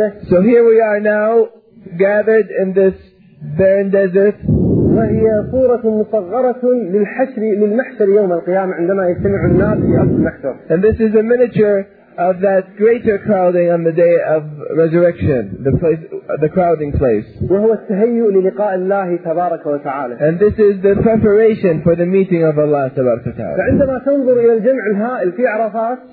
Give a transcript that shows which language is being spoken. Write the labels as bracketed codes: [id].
[en] So here we are now, gathered in this barren desert. [ar] وهي صورة مصغرة للحشر للمحشر يوم القيامة عندما يجتمع الناس في أرض المحشر. [en] And this is a miniature of that greater crowding on the day of resurrection, the place, the crowding place. [ar] وهو التهيئ للقاء الله تبارك وتعالى. [en] And this is the preparation for the meeting of Allah [ar] تبارك وتعالى. فعندما تنظر إلى الجمع الهائل في عرفات.